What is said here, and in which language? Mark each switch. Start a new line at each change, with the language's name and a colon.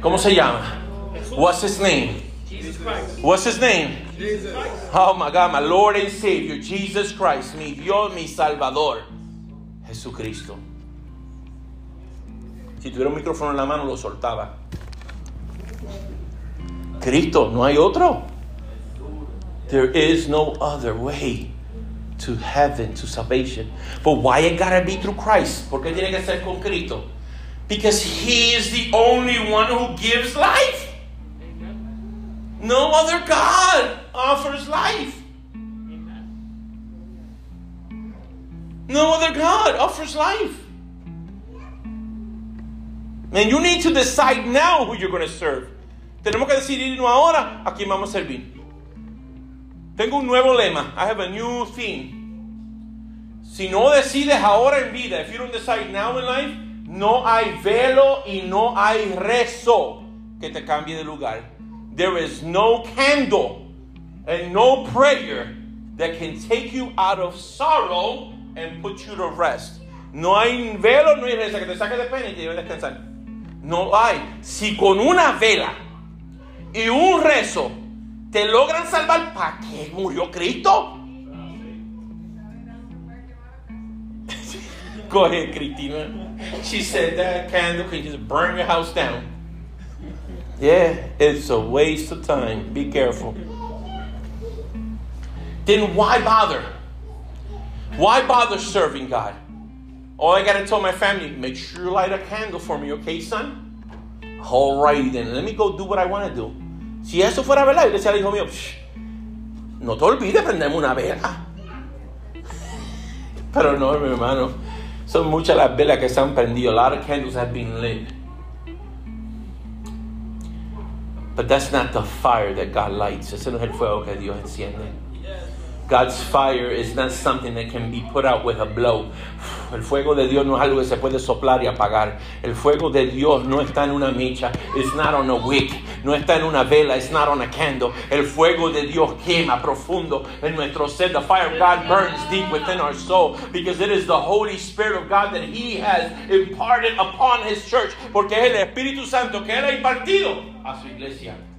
Spanish: ¿Cómo se llama?
English: What's his name? Jesus. What's his name? Jesus. Oh my God, my Lord and Savior, Jesus Christ,
Spanish: mi Dios, mi Salvador, Jesucristo. Si tuviera un micrófono en la mano, lo soltaba. Cristo, ¿no hay otro?
English: There is no other way to heaven, to salvation. But why it gotta be through Christ?
Spanish: ¿Por qué tiene que ser con Cristo?
English: Because He is the only one who gives life. No other God offers life. No other God offers life. Man, you need to decide now who you're going to serve.
Spanish: Tenemos que decidir ahora a quién vamos a servir. Tengo un nuevo lema.
English: I have a new theme.
Spanish: Si no decides ahora en vida,
English: if you don't decide now in life,
Spanish: no hay velo y no hay rezo que te cambie de lugar.
English: There is no candle and no prayer that can take you out of sorrow and put you to rest.
Spanish: No hay velo, no hay reza que te saque de pena y te lleve a descansar. No hay. Si con una vela y un rezo te logran salvar, ¿para qué murió Cristo?
English: Go ahead, Cristina. She said that candle can just burn your house down. Yeah, it's a waste of time. Be careful. Then why bother? Why bother serving God? All I gotta tell my family, make sure you light a candle for me, okay, son? Alrighty then, let me go do what I want to do.
Spanish: Si eso fuera verdad, yo decía al hijo mío, no te olvides prenderme una vela. Pero no, mi hermano, son muchas las velas que se han prendido.
English: A lot of candles have been lit. But that's not the fire that God lights.
Spanish: Ese no es el fuego que Dios enciende.
English: God's fire is not something that can be put out with a blow.
Spanish: El fuego de Dios no es algo que se puede soplar y apagar. El fuego de Dios no está en una mecha.
English: It's not on a wick.
Spanish: No está en una vela.
English: It's not on a candle.
Spanish: El fuego de Dios quema profundo en nuestro ser.
English: The fire of God burns deep within our soul because it is the Holy Spirit of God that He has imparted upon His church.
Spanish: Porque es el Espíritu Santo que Él ha impartido a su iglesia.